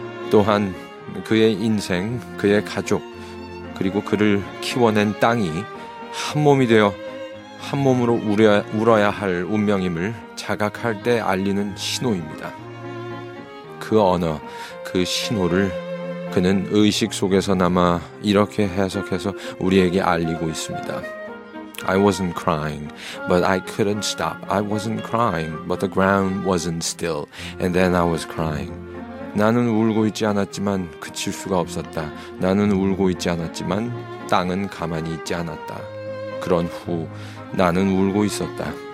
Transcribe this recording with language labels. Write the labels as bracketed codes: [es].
[ko] 또한 그의 인생, 그의 가족, 그리고 그를 키워낸 땅이 한 몸이 되어 한 몸으로 울어야 할 운명임을 자각할 때 알리는 신호입니다. 그 언어, 그 신호를 그는 의식 속에서나마 이렇게 해석해서 우리에게 알리고 있습니다. [en] I wasn't crying, but I couldn't stop. I wasn't crying, but the ground wasn't still. And then I was crying. [ko] 나는 울고 있지 않았지만 그칠 수가 없었다. 나는 울고 있지 않았지만 땅은 가만히 있지 않았다. 그런 후 나는 울고 있었다.